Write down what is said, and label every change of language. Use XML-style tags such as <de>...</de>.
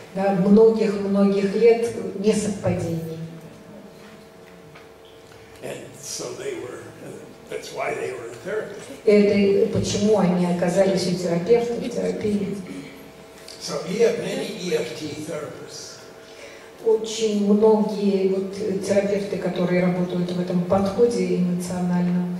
<ru>Да, многих-многих лет несовпадений.</ru> <en>And so they were, that's why they were in therapy.</en> <ru>Это почему они оказались у терапевта, в терапии.</ru> <en>So we have many EFT therapists.</en> <ru>Очень многие вот терапевты, которые работают в этом подходе эмоционально</ru>